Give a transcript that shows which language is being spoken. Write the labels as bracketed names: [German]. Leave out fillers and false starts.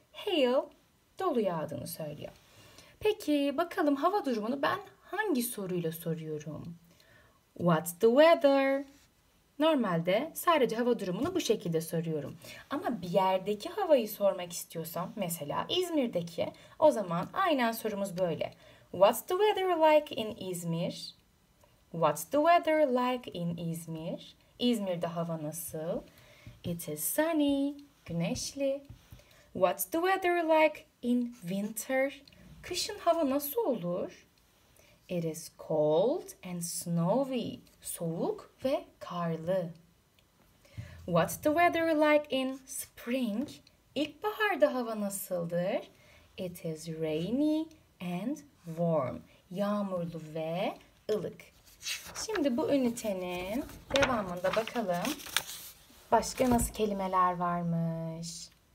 [Turkish] Hail, dolu yağdığını söylüyor. Peki bakalım hava durumunu ben hangi soruyla soruyorum? [English] What's the weather? [Turkish] Normalde sadece hava durumunu bu şekilde soruyorum. Ama bir yerdeki havayı sormak istiyorsam, mesela İzmir'deki, o zaman aynen sorumuz böyle. [English] What's the weather like in İzmir? What's the weather like in İzmir? [Turkish] İzmir'de hava nasıl? [English] It is sunny, [Turkish] güneşli. [English] What's the weather like in winter? [Turkish] Kışın hava nasıl olur? [English] It is cold and snowy. [Turkish] Soğuk ve karlı. [English] What's the weather like in spring? [Turkish] İlkbaharda hava nasıldır? [English] It is rainy and warm. [Turkish] Yağmurlu ve ılık. Şimdi bu ünitenin devamında bakalım başka nasıl kelimeler varmış.